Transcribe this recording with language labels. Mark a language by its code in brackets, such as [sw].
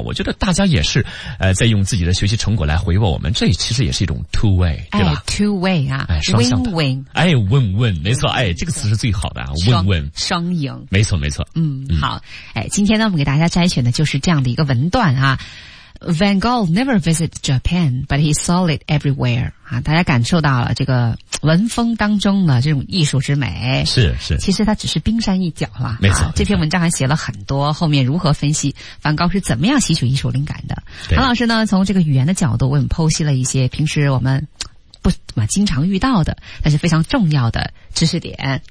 [zh] 我觉得大家也是在用自己的学习成果来回报我们，这其实也是一种 two way， 对吧？ [en] 哎 two way 啊， [zh] 哎，双向的 [en] win-win， [zh] 哎 win-win， 没错，哎，这个词是最好的啊 win-win，双赢，没错没错。嗯，好，哎，今天呢我们给大家摘选的就是这样的一个文段啊。 [en] Van Gogh never visited Japan, but he saw it everywhere. [zh] 啊，大家感受到了这个文风当中的这种艺术之美。是是。其实它只是冰山一角了。没错。这篇文章还写了很多后面如何分析梵高是怎么样吸取艺术灵感的。韩老师呢从这个语言的角度为我们剖析了一些平时我们不怎么经常遇到的但是非常重要的知识点。